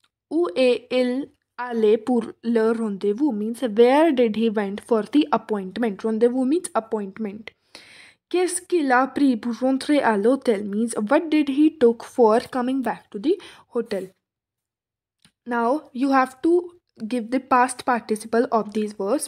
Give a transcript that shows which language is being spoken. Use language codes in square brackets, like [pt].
[fr] Où est-il allé pour le rendez-vous? [en] Means, where did he went for the appointment? Rendez-vous means appointment. [fr] Qu'est-ce qu'il a pris pour rentrer à l'hôtel? [en] Means, what did he took for coming back to the hotel? Now, you have to give the past participle of these verbs.